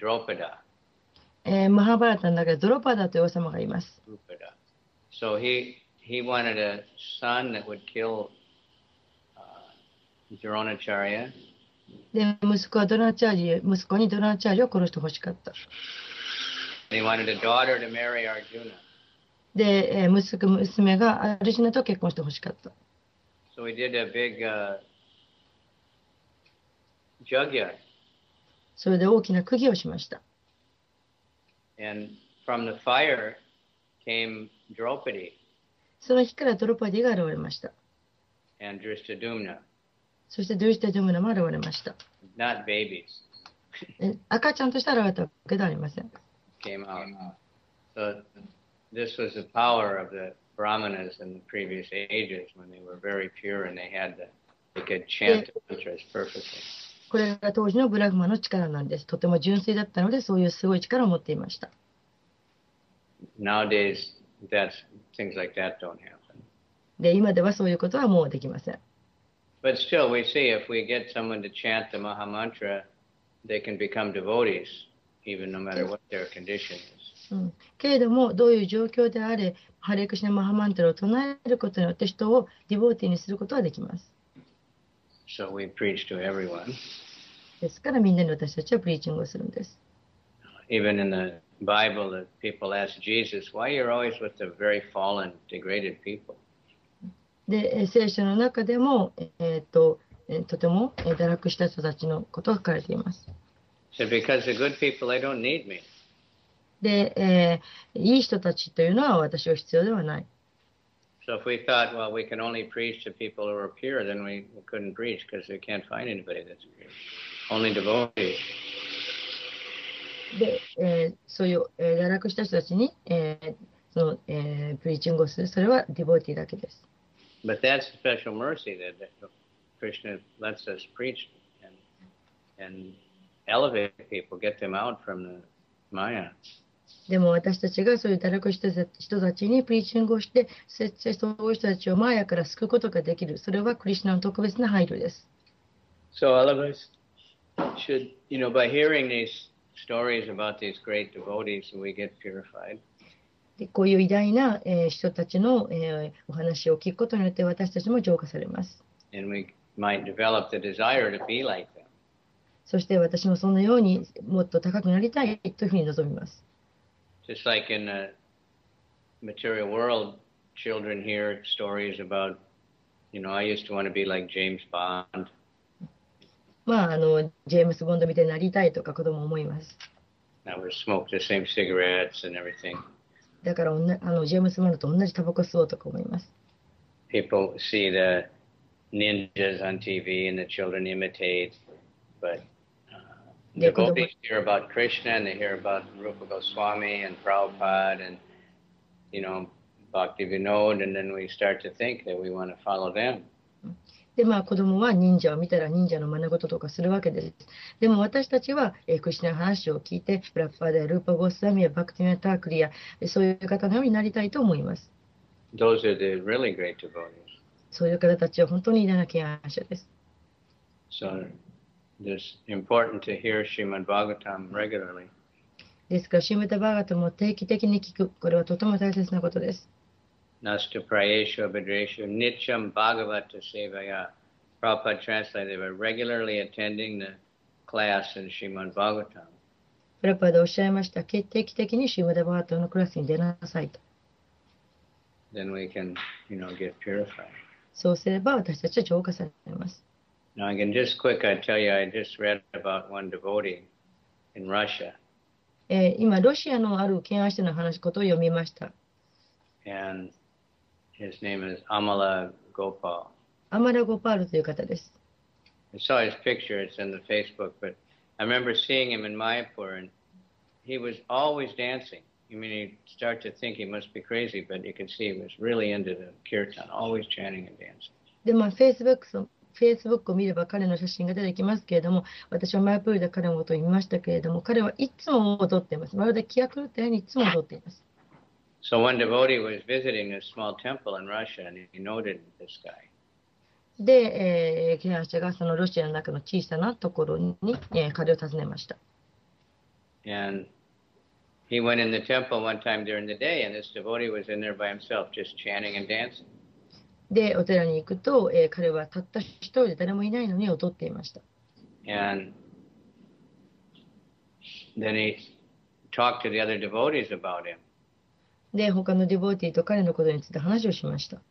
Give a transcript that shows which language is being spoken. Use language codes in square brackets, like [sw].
[ja] 中でドロパダという王様がいます。 [en] So he wanted a son that would kill, Dronacharya. [ja] で、息子はドロナチャージ、息子にドロナチャージを殺してほしかった。 [en] He wanted a daughter to marry Arjuna. [ja] で、息子娘がアルジュナと結婚してほしかった。 [en] So he did a big, jugya. [ja] それで大きな釘をしました。 [en] And from the fire came Draupadi. [ja] その火からドロパディが現れました。 [en] And Drishtadyumna. [ja] そしてドゥシュタドゥムナも現れました。 [en] Not babies. [ja] 赤ちゃんとして現れたわけではありません。 [en] Came out. So,This was the power of the Brahmanas in the previous ages when they were very pure and they could chant mantras perfectly. [ja] これが当時のブラフマの力なんです。とても純粋だったので、そういうすごい力を持っていました。 [en] Nowadays, that's, things like that don't happen. [ja] で、今ではそういうことはもうできません。 [en] But still, we see if we get someone to chant the Maha Mantra, they can become devotees, even no matter what their condition is. [ja] うん、けれどもどういう状況であれハレクシナマハマントラを唱えることによって人をディボーティーにすることはできます。 [en] So we preach to everyone. [ja] ですからみんなに私たちはプリーチングをするんです。 [en] Even in the Bible, the people ask Jesus, why you're always with the very fallen, degraded people? [ja] で、聖書の中でも、とても堕落した人たちのことが書かれています。 [en] So because the good people, they don't need me. [ja] で、いい人たちというのは私は必要ではない。 [en] So if we thought, well, we can only preach to people who are pure, then we couldn't preach because we can't find anybody that's pure. Only devotees. [ja] で、そういう、堕落した人たちに、その、プリーチングをする、それはディボーティーだけです。 [en] But that's special mercy that Krishna lets us preach and elevate people, get them out from the Maya. [ja] でも私たちがそういう堕落した人たちにプリーチングをして、そういう人たちをマーヤから救うことができる。それはクリシナの特別な配慮です。 [en] So all of us should, you know, by hearing these stories about these great devotees, we get purified. [ja] で、こういう偉大な、人たちの、お話を聞くことによって私たちも浄化されます。 [en] And we might develop the desire to be like them. [ja] そして私もそのようにもっと高くなりたいというふうに望みます。 [en] Just like in the material world, children hear stories about, you know, I used to want to be like James Bond. [ja] まあ、ジェームズ・ボンドみたいになりたいとか子供思います。 [en] I would smoke the same cigarettes and everything. [ja] だから、ジェームズ・ボンドと同じタバコ吸おうとか思います。 [en] People see the ninjas on TV and the children imitate, but The gopis hear about Krishna and they hear about Rupa Goswami and Prabhupada and, you know, Bhaktivinoda, and then we start to think that we want to follow them. [ja] でまあ、子供は忍者を見たら忍者の真似事とかするわけです。でも私たちは、クリシナの話を聞いて、プラッパーでルーパ・ゴッサミやバクティメ・タークリア、そういう方のようになりたいと思います。 [en] Those are the really great devotees. [ja] そういう方たちは本当に偉大な敬愛者です。 [en] So, it's important to hear Srimad Bhagavatam regularly. [ja] ですから、シュマタ・バーガタも定期的に聞く。これはとても大切なことです。 [sa] Nastu Prayesho Bhadresho Nityam Bhagavata Sevaya. [en] Prabhupada translated, they were regularly attending the class in Srimad Bhagavatam. [ja] Prabhupada おっしゃいました。定期的にシュマタ・バーガタのクラスに出なさいと。 [en] Then we can, you know, get purified. [ja] そうすれば私たちは浄化されます。 [en] Now I can just quick, I tell you, I just read about one devotee in Russia. [ja] 今、ロシアのある敬愛者の話ことを読みました。 [en] And his name is Amala Gopal. [ja] Amala Gopal という方です。 [en] I saw his picture, it's in the Facebook, but I remember seeing him in Mayapur, and he was always dancing. I mean, you start to think he must be crazy, but you can see he was really into the kirtan, always chanting and dancing. [ja] でも Facebook、Facebook を見れば彼の写真が出てきますけれども、私はマイプールで彼のことを見ましたけれども、彼はいつも踊っています。まるで気が狂ったようにいつも踊っています。 [en] So one devotee was visiting a small temple in Russia and he noted this guy. [ja] で、敬愛者がそのロシアの中の小さなところに、彼を訪ねました。 [en] And he went in the temple one time during the day and this devotee was in there by himself just chanting and dancing. [ja] で、お寺に行くと、彼はたった一人で誰もいないのに踊っていました。 [en] And then he talked to the other devotees about him. [ja] で他のディボーティーと彼のことについて話をしました。